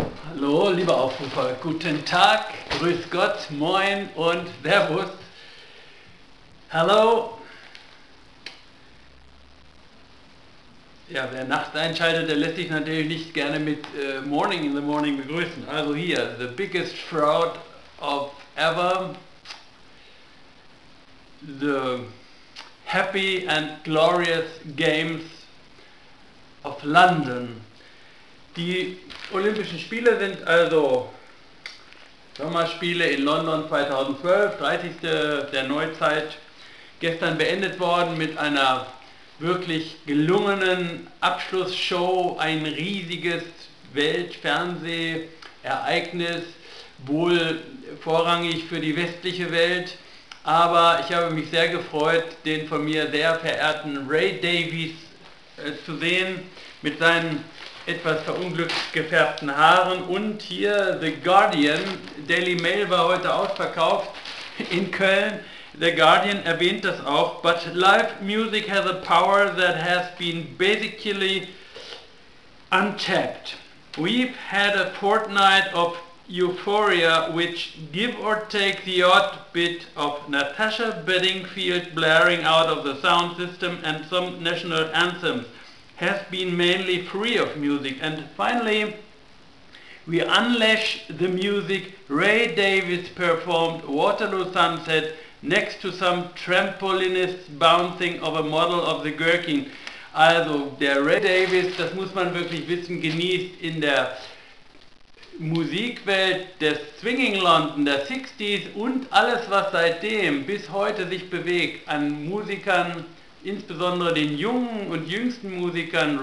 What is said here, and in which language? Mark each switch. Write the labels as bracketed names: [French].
[German] Hallo, liebe Aufrufer, guten Tag, grüß Gott, moin und servus. Hallo. Ja, wer nachts einschaltet, der lässt sich natürlich nicht gerne mit [English] Morning in the Morning [German] begrüßen. Also hier, [English] the biggest fraud of ever. The happy and glorious games of London. [German] Die Olympischen Spiele sind also Sommerspiele in London 2012, 30. der Neuzeit, gestern beendet worden mit einer wirklich gelungenen Abschlussshow, ein riesiges Weltfernsehereignis, wohl vorrangig für die westliche Welt, aber ich habe mich sehr gefreut, den von mir sehr verehrten Ray Davies zu sehen, mit seinen etwas verunglückt gefärbten Haaren. Und hier The Guardian, Daily Mail war heute ausverkauft in Köln. The Guardian erwähnt das auch. [English] But live music has a power that has been basically untapped. We've had a fortnight of euphoria which give or take the odd bit of Natasha Bedingfield blaring out of the sound system and some national anthems has been mainly free of music. And finally, we unleash the music Ray Davies performed Waterloo Sunset next to some trampolinist bouncing of a model of the Gherkin. [German] Also der Ray Davies, das muss man wirklich wissen, genießt in der Musikwelt des Swinging London, der 60s und alles, was seitdem bis heute sich bewegt an Musikern, insbesondere den jungen und jüngsten Musikern.